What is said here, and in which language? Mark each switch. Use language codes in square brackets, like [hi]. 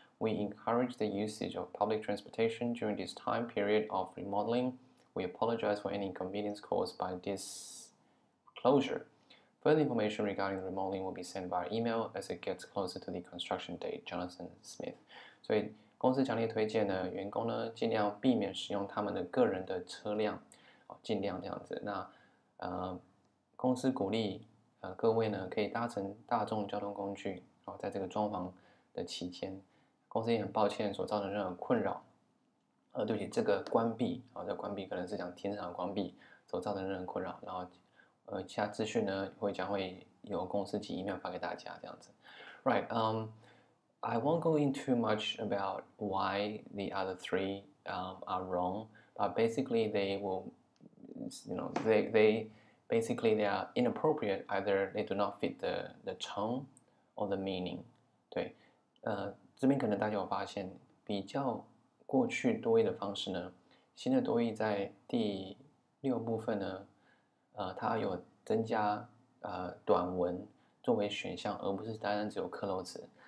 [en] We encourage the usage of public transportation during this time period of remodeling. We apologize for any inconvenience caused by this closure. Further information regarding the remodeling will be sent via email as it gets closer to the construction date, Jonathan Smith. [zh] 所以公司强烈推荐呢，员工呢尽量避免使用他们的个人的车辆，尽量这样子。那公司鼓励各位呢可以搭乘大众交通工具，在这个装潢的期间，公司也很抱歉所造成任何困扰。对不起，这个关闭，这个关闭可能是讲停车场关闭所造成任何困扰，然后。其他资讯呢将会由公司寄 email 发给大家这样子。 [en] Right, I won't go in too much about why the other three are wrong, but basically they are inappropriate, either they do not fit the tone or the meaning. [zh] 对，这边可能大家有发现，比较过去多义的方式呢，新的多义在第六部分呢，它有增加短文作为选项，而不是单单只有克漏词。